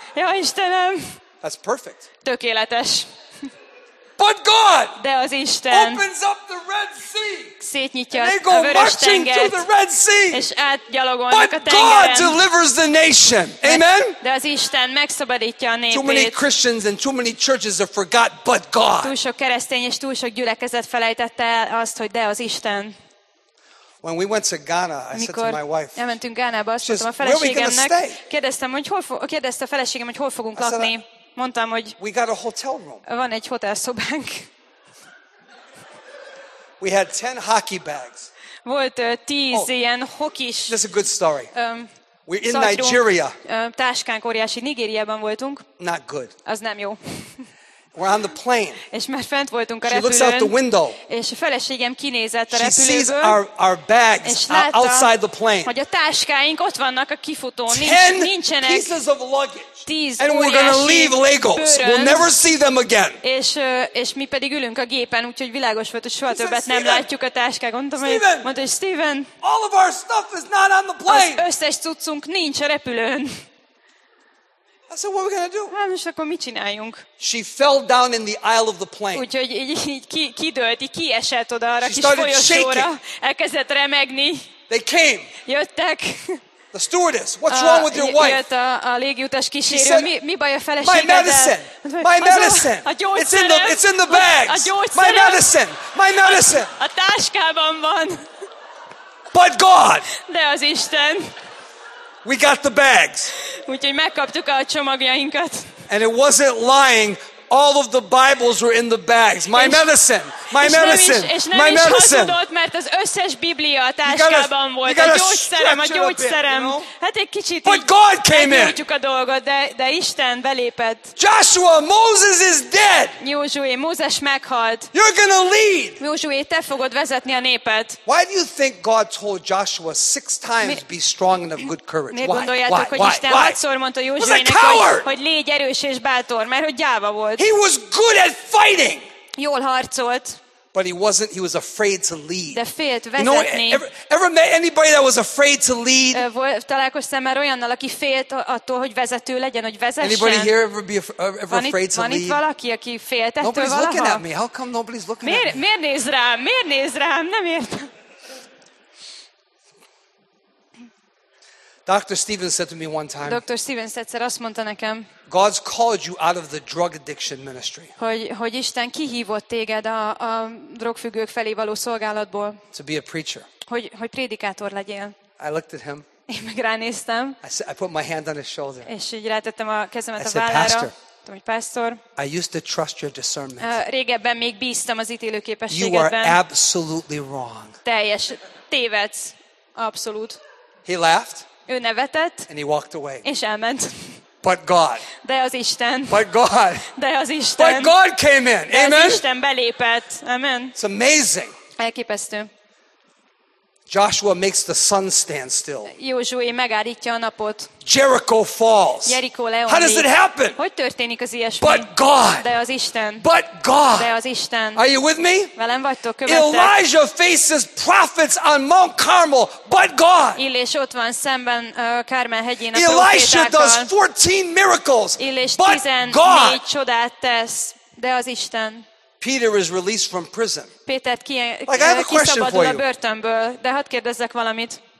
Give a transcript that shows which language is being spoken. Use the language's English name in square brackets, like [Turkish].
[Hungarian] Ja, Istenem! [English] That's perfect. [Hungarian] Tökéletes. [English] But God, [Hungarian] de az Isten [English] opens up the Red Sea. [Hungarian] Szétnyitja a Vörös tengert. És átgyalogolnak a tengeren. [English] God delivers the nation. Amen. [Hungarian] De az Isten megszabadítja a népét. [English] Too many Christians and too many churches have forgot but God. [Hungarian] Túl sok keresztény és túl sok gyülekezet felejtette el azt, hogy de az Isten. [English] When we went to Ghana, [Hungarian] Mikor [English] I said to my wife, [Hungarian] elmentünk Gánába, azt mondtam a feleségemnek, kérdezte a feleségem, hogy hol fogunk lakni. Mondtam, hogy [English] we got a hotel room. [Hungarian] Van egy hotelszobánk. [English] We had 10 hockey bags. [Hungarian] Volt 10 ilyen hokis. [English] This is a good story. We're in Nigeria. [Hungarian] Táskánk óriási, Nigériában voltunk. [English] Not good. [Hungarian] Az nem jó. [English] We're on the plane. [Hungarian] És már fent voltunk a repülőn. [English] She looks out the window. [Hungarian] És a feleségem kinézett a repülőből. She sees our bags outside the plane. Hogy a táskáink ott vannak a kifutón. Nincsenek. [English] 10 pieces of luggage. And we're going to leave Lagos. [Hungarian] Bőrön. [English] We'll never see them again. [Hungarian] És mi pedig ülünk a gépen, úgyhogy világos volt, hogy soha többet nem látjuk a táskákat. Mondta, hogy Steven, [English] all of our stuff is not on the plane. [Hungarian] Az összes cuccunk nincs a repülőn. [English] I said, what are we going to do? [Hungarian] Hát, és akkor mit csináljunk? [English] She fell down in the aisle of the plane. [Hungarian] Úgyhogy így kidőlt, így kiesett oda arra kis folyosóra. Elkezdett remegni. [English] They came. [Hungarian] Jöttek. [English] The stewardess, what's wrong with your wife? [Hungarian] A légiutas kísérő, mi baj a feleségeddel? [English] My medicine. It's in the bag. My medicine. [Hungarian] A táskában van. [English] But God. [Hungarian] De az Isten. [English] We got the bags. [Hungarian] Úgyhogy megkaptuk a csomagjainkat. [English] And it wasn't lying. All of the Bibles were in the bags. My medicine. [Hungarian] Hazudott, mert az összes Biblia a táskában volt. A gyógyszerem. Hát egy kicsit [English] But God came in. [Hungarian] A dolgot, de Isten belépett. [English] Joshua, Moses is dead. [Hungarian] Józsué, Mózes meghalt. [English] You're going to lead. [Hungarian] Józsué, te fogod vezetni a népet. [English] Why do you think God told Joshua 6 times be strong and of good courage? [Hungarian] Miért gondoljátok, hogy Isten 6-szor mondta Józsuének, hogy légy erős és bátor, mert hogy gyáva volt. [English] He was good at fighting. [Hungarian] Jól harcolt. [English] But he was afraid to lead. [Hungarian] De félt vezetni. [English] You know, ever met anybody that was afraid to lead? [Hungarian] Találkoztam már olyannal, aki félt attól, hogy vezető legyen, hogy vezessen. [English] Anybody here ever afraid to lead? [Hungarian] Van itt valaki, aki félt ettől valaha? [English] Nobody's looking at me. How come nobody's looking at me? [Hungarian] Miért néz rám? Nem értem. [English] Dr. Stevens said to me one time. [Hungarian] Dr. Stevens egyszer azt mondta nekem. [English] God's called you out of the drug addiction ministry. [Hungarian] Hogy Isten kihívott téged a drogfüggők felé való szolgálatból. [English] To be a preacher. [Hungarian] Hogy prédikátor legyél. [English] I looked at him. [Hungarian] Én meg ránéztem. [English] I put my hand on his shoulder. [Hungarian] És így rátettem a kezemet a vállára. [English] Pastor, I used to trust your discernment. [Hungarian] Régebben még bíztam az ítélőképességedben. [English] You are absolutely wrong. [Hungarian] Teljes tévedsz. Abszolút. [English] He laughed. [Hungarian] Ő nevetett, [English] and he walked away. [Hungarian] És elment. [English] But God. [Hungarian] De az Isten. [English] But God. [Hungarian] De az Isten. [English] But God came in. [Hungarian] De amen. Az Isten belépett. Amen. [English] It's amazing. [Hungarian] Elképesztő. [English] Joshua makes the sun stand still. [Hungarian] Józsué megállítja a napot. [English] Jericho falls. [Hungarian] Jerikó leomlik. [English] How does it happen? [Hungarian] Hogy történik az ilyesmi? [English] But God. [Hungarian] De az Isten. [English] But God. [Hungarian] De az Isten. [English] Are you with me? [Hungarian] Velem vagytok, követek. [English] Elijah faces prophets on Mount Carmel, but God. [Hungarian] Illés ott van szemben Kármel hegyén a [English] Elisha does 14 miracles. [Hungarian] Illés 14 csodát tesz, de az Isten. [English] Peter is released from prison. [Hungarian] Péter kiszabadul a börtönből, de hadd kérdezzek valamit.